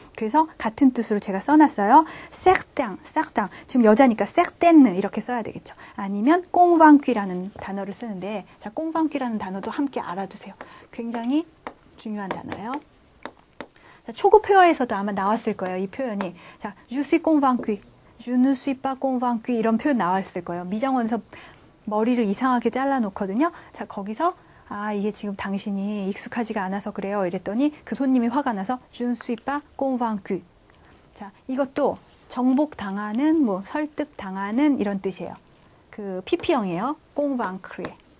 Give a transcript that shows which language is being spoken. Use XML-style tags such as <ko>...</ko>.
<ko>그래서 같은 뜻으로 제가 써놨어요.</ko> <fr>certain, certain.</fr> <ko>지금 여자니까 certain 이렇게 써야 되겠죠. 아니면 convaincu라는 단어를 쓰는데 자, convaincu라는 단어도 함께 알아두세요. 굉장히 중요한 단어예요. 초급 회화에서도 아마 나왔을 거예요, 이 표현이. 자,</ko> <fr>je suis convaincu, je ne suis pas convaincu</fr> <ko>이런 표현 나왔을 거예요. 미정원에서 머리를 이상하게 잘라놓거든요. 자, 거기서 아, 이게 지금 당신이 익숙하지가 않아서 그래요. 이랬더니 그 손님이 화가 나서</ko> <fr>je ne suis pas convaincu.</fr> <ko>자, 이것도 정복당하는, 뭐 설득당하는 이런 뜻이에요. 그 PP형이에요. convaincre.</ko>